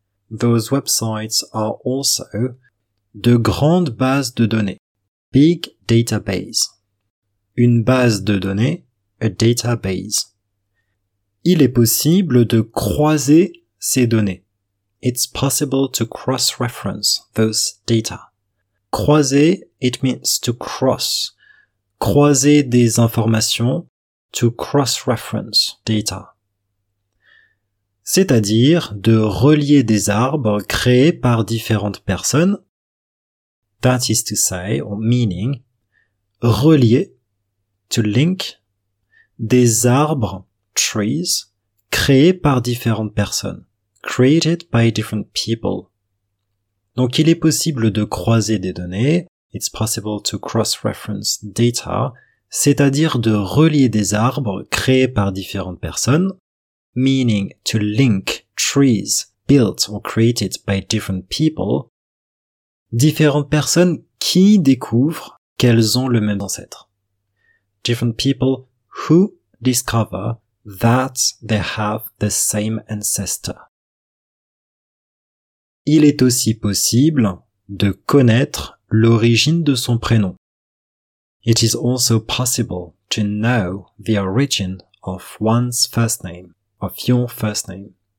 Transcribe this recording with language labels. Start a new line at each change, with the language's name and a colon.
English: Those websites are also
French: de grandes bases de données.
English: Big database.
French: Une base de données,
English: a database.
French: Il est possible de croiser ces données.
English: It's possible to cross-reference those data. Croiser, it means to cross. Croiser des informations, to cross-reference data.
French: C'est-à-dire de relier des arbres créés par différentes personnes.
English: That is to say, or meaning, relier, to link,
French: des arbres,
English: trees,
French: créés par différentes personnes.
English: Created by different people.
French: Donc il est possible de croiser des données,
English: it's possible to cross-reference data,
French: c'est-à-dire de relier des arbres créés par différentes personnes,
English: meaning to link trees built or created by different people,
French: différentes personnes qui découvrent qu'elles ont le même ancêtre.
English: Different people who discover that they have the same ancestor.
French: Il est aussi possible de connaître l'origine de son prénom.
English: It is also possible to know the origin of one's first name, of your first name.